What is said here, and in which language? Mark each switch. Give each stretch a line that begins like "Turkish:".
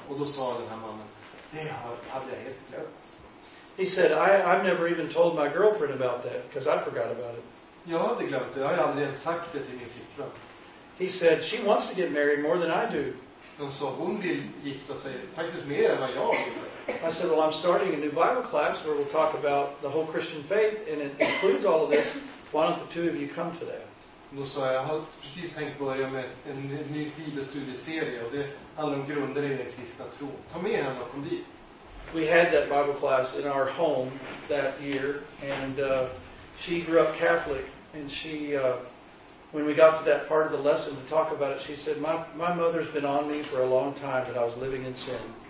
Swedish: Och då sa den här mannen, det hade jag helt glömt.
English: He said, I've never even told my girlfriend about that because I forgot about it.
Swedish: Jag hade glömt det, jag har aldrig ens sagt det till min flickvän.
English: He said, she wants to get married more than I do.
Swedish: Hon sa, hon vill gifta sig faktiskt mer än vad jag vill.
English: I said, well, I'm starting a new Bible class where we'll talk about the whole Christian faith and it includes all of this. Why don't the two of you come to that?
Swedish: Då sa jag, jag har precis tänkt börja med en ny bibelstudieserie och det handlar om grunder i den kristna tron. Ta med henne och kom dit.
English: We had that Bible class in our home that year and she grew up Catholic and she, when we got to that part of the lesson to talk about it, she said, my mother's been on me for a long time that I was living in sin.